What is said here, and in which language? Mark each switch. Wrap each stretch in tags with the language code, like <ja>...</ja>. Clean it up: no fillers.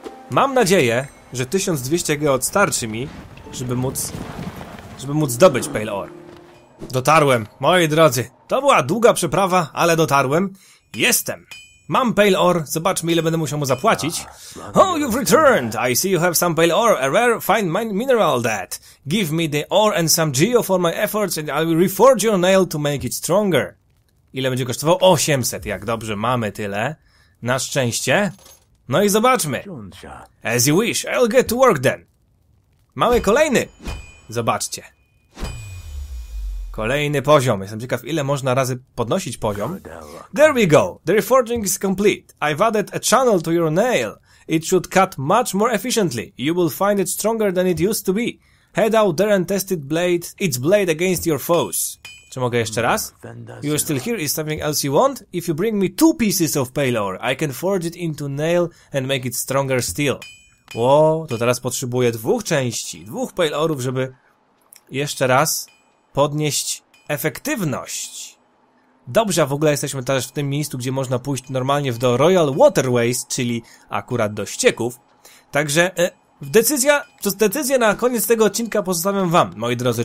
<pl>Mam nadzieję, że 1200 geod starczy mi, żeby móc... zdobyć Pale Ore. Dotarłem, moi drodzy. To była długa przeprawa, ale dotarłem. Jestem! Mam Pale Ore, zobaczmy, ile będę musiał mu zapłacić.</pl> <en>Oh, you've returned! I see you have some Pale Ore, a rare fine mineral that. Give me the ore and some geo for my efforts and I will reforge your nail to make it stronger.</en> <pl>Ile będzie kosztował? 800, jak dobrze, mamy tyle. Na szczęście. No i zobaczmy.</pl> <en>As you wish, I'll get to work then.</en> <pl>Mamy kolejny. Zobaczcie. Kolejny poziom. Jestem ciekaw, ile można razy podnosić poziom.</pl> <en>There we go. The reforging is complete. I've added a channel to your nail. It should cut much more efficiently. You will find it stronger than it used to be. Head out there and test its blade against your foes.</en> <pl>Czy mogę jeszcze raz?</pl> <en>You're still here, is something else you want? If you bring me two pieces of pale ore, I can forge it into nail and make it stronger steel.</en> <pl>Ło, to teraz potrzebuję dwóch części, dwóch pale orów, żeby jeszcze raz podnieść efektywność. Dobrze, w ogóle jesteśmy też w tym miejscu, gdzie można pójść normalnie do Royal Waterways, czyli akurat do ścieków. Także decyzja na koniec tego odcinka pozostawiam wam, moi drodzy.</pl>